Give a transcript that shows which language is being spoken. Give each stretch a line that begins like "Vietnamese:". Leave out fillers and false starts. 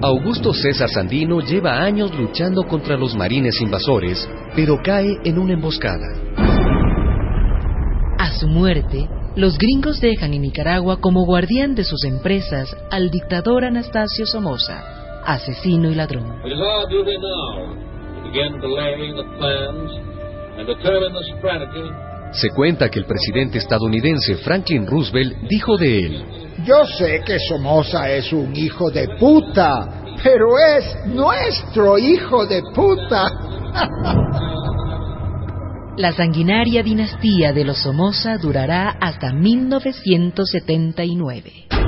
Spanish: Augusto César Sandino lleva años luchando contra los marines invasores, pero cae en una emboscada. A su muerte, los gringos dejan en Nicaragua como guardián de sus empresas al dictador Anastasio Somoza, asesino y ladrón.
English: It is our duty now to begin delaying the plans and determine the strategy.
Spanish: Se cuenta que el presidente estadounidense Franklin Roosevelt dijo de él: yo sé que Somoza es un hijo de puta, pero es nuestro hijo de puta. La sanguinaria dinastía de los Somoza durará hasta 1979.